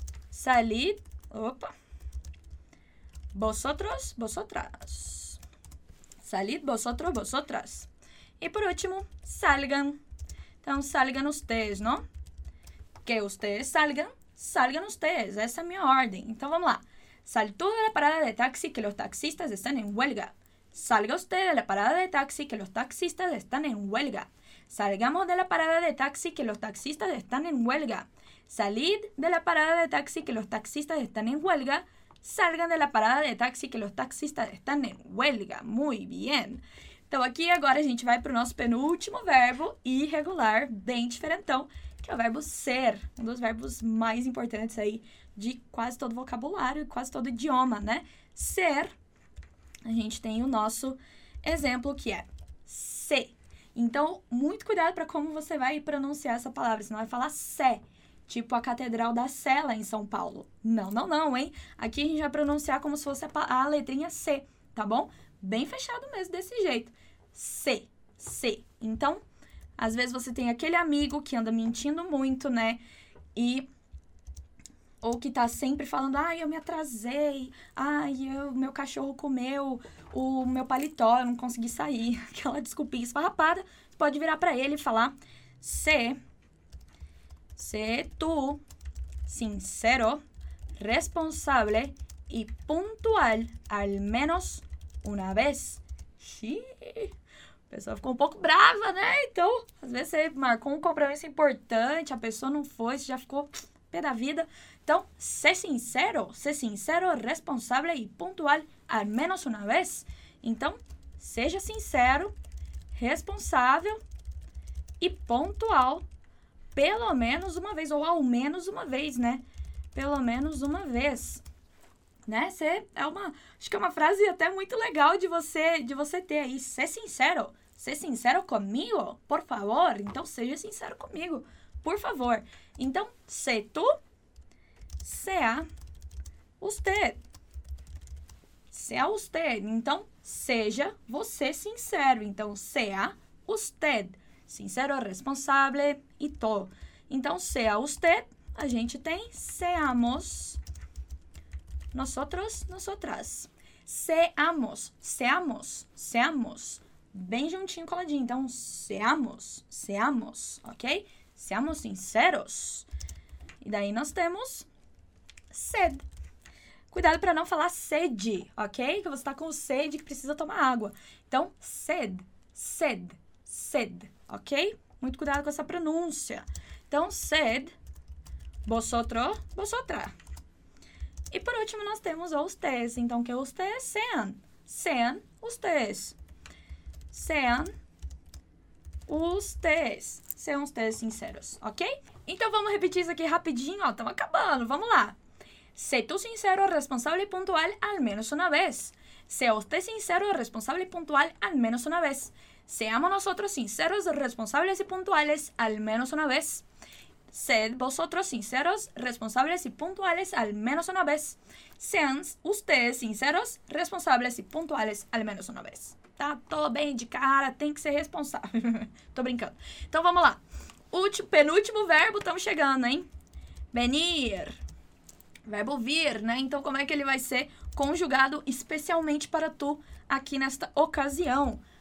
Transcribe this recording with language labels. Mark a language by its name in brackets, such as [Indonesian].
[Spanish] Salid, opa. Vosotros, vosotras. Salid, vosotros, vosotras. [Portuguese] E por último, [Spanish] salgan. [Portuguese] Então, salgan ustedes, não? [Spanish] Que ustedes salgan, salgan ustedes. [Portuguese] Essa é a minha ordem. Então, vamos lá. [Spanish] Sal tú de la parada de taxi que los taxistas están en huelga. Salga usted de la parada de taxi que los taxistas están en huelga. Salgamos de la parada de taxi que los taxistas están en huelga. Salid de la parada de taxi que los taxistas están en huelga. Salgan de la parada de taxi que los taxistas están en huelga. Muy bien. [Portuguese] Então, aqui agora a gente vai para o nosso penúltimo verbo irregular, bem diferentão, que é o verbo ser. Um dos verbos mais importantes aí de quase todo vocabulário, quase todo idioma, né? Ser, a gente tem o nosso exemplo que é se. Então, muito cuidado para como você vai pronunciar essa palavra, senão vai falar se. Tipo a Catedral da Sé lá em São Paulo. Não, não, não, hein? Aqui a gente vai pronunciar como se fosse a letrinha C, tá bom? Bem fechado mesmo, desse jeito. C, C. Então, às vezes você tem aquele amigo que anda mentindo muito, né? E... ou que tá sempre falando, ai, eu me atrasei, ai, meu cachorro comeu o meu paletó, eu não consegui sair. Aquela desculpinha esfarrapada, você pode virar pra ele e falar, C... [Spanish] Sé tú sincero, responsable y puntual al menos una vez. [Portuguese] Xiii, a pessoa ficou um pouco brava, né? Então, às vezes você marcou um compromisso importante, a pessoa não foi, você já ficou pé da vida. [Spanish] Então, sé sincero, responsable y puntual al menos una vez. [Portuguese] Então, seja sincero, responsável e pontual. Pelo menos uma vez, ou ao menos uma vez, né? Pelo menos uma vez, né? Cê é uma, acho que é uma frase até muito legal de você ter aí. Ser sincero comigo, por favor. Então, seja sincero comigo, por favor. Então, se tu, [Spanish] sea usted. [Portuguese] Sea usted. Então, seja você sincero. Então, [Spanish] sea usted. sincero, responsable y todo. [Portuguese] Então, [Spanish] sea usted, [Portuguese] a gente tem seamos, nosotros, nosotras. [Spanish] Seamos, seamos, seamos. [Portuguese] Bem juntinho, coladinho. Então, seamos, seamos, ok? [Spanish] Seamos sinceros. [Portuguese] E daí nós temos sed. Cuidado para não falar sede, ok? Que você está com sede e precisa tomar água. Então, sed, sed, sed, ok? Muito cuidado com essa pronúncia. Então, sed, vosotros, vosotras. E por último, nós temos ustedes. [Spanish] Então, que ustedes sean. Sean ustedes. Sean ustedes. Sean ustedes sinceros, ok? [Portuguese] Então, vamos repetir isso aqui rapidinho. Estamos acabando. Vamos lá. [Spanish] Sé tú sincero, responsable y puntual al menos una vez. Sea usted sincero, responsable y puntual al menos una vez. Seamos nosotros sinceros, responsables y puntuales al menos una vez. Sed vosotros sinceros, responsables y puntuales al menos una vez. Sean ustedes sinceros, responsables y puntuales al menos una vez. [Portuguese] Tá todo bem de cara, tem que ser responsável. Tô brincando. Então vamos lá. Último, penúltimo verbo, estamos chegando, hein? Venir. Verbo vir, né? Então, como é que ele vai ser conjugado especialmente para tu aqui nesta ocasião?